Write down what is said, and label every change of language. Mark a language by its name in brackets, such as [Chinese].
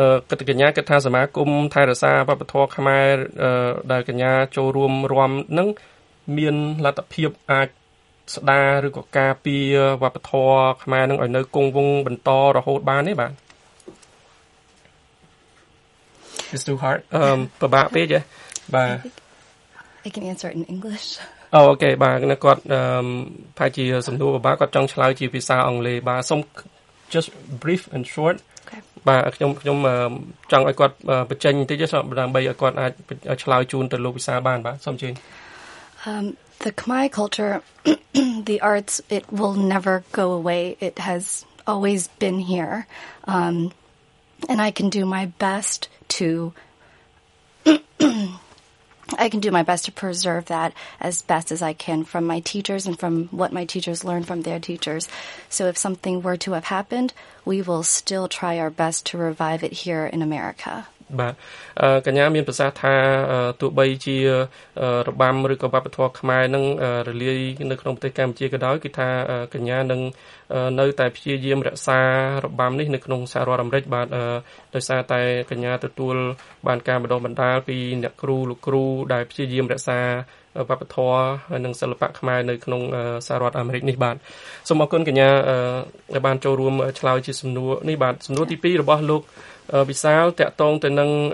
[Khmer] គិតកញ្ញាគិតថាសមាគមថៃរសាវប្បធម៌ខ្មែរដែលកញ្ញាចូលរួមរំនឹងមានលទ្ធភាពអាចស្ដារឬក៏ការពារវប្បធម៌ខ្មែរនឹងឲ្យនៅគង់វង្សបន្តរហូតបានទេបាទ [English] It's too hard [Khmer] ប្រហែលពេកបា [English] ទ I can answer in English [Khmer] អូអូខេបាទគាត់ផែជាសំណួរប្រហែលគាត់ចង់ឆ្លើយជាភាសាអង់គ្លេសបាទសូម [English] just brief and short [Khmer] បាទខ្ញុំចង់ឲ្យគាត់បញ្ចេញបន្តិចទេដើម្បីឲ្យគាត់អាចឆ្លើយជូនទៅលោកវិសាលបានបាទសូមអញ្ជើញ [English] The Khmer culture, the arts, it will never go away. It has always been here. And I can do my best to I can do my best to preserve that as best as I can from my teachers and from what my teachers learn from their teachers. So if something were to have happened, we will still try our best to revive it here in America. [Khmer] បាទកញ្ញាមានប្រសាសន៍ថាទោះបីជារបាំឬក៏វប្បធម៌ខ្មែរនឹងរលាយនៅក្នុងប្រទេសកម្ពុជាក៏ដោយគឺថាកញ្ញានឹង នៅតែព្យាយាមរក្សារបាំនេះនៅក្នុងសហរដ្ឋអាមេរិកបាទដោយសារតែកញ្ញាទទួលបានការបណ្ដុះបណ្ដាលពីអ្នកគ្រូលោកគ្រូដែលព្យាយាមរក្សាវប្បធម៌និងសិល្បៈខ្មែរនៅក្នុងសហរដ្ឋអាមេរិកនេះបាទសូមអរគុណកញ្ញាដែលបានចូលរួមឆ្លើយជាសំណួរនេះបាទសំណួរទី2របស់លោកវិសាលតកតងទៅនឹង